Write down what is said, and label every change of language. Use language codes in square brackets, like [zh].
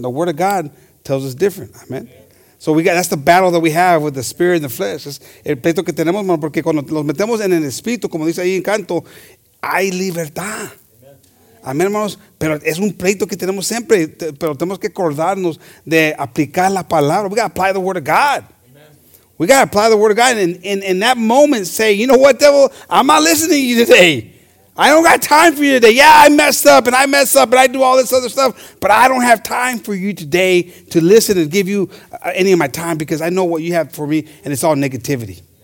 [en] The Word of God tells us different. Amen. So that's the battle that we have with the Spirit and the flesh. [es] Es el pleito que tenemos, hermano, porque cuando los metemos en el Espíritu, como dice ahí en canto, hay libertad. Amén, hermanos. Pero es un pleito que tenemos siempre. Pero tenemos que acordarnos de aplicar la palabra. [en] We got to apply the Word of God. Amen. We got to apply the Word of God. And in that moment, say, you know what, devil? I'm not listening to you today. I don't got time for you today. Yeah, I messed up and I mess up and I do all this other stuff, but I don't have time for you today to listen and give you any of my time because I know what you have for me and it's all negativity.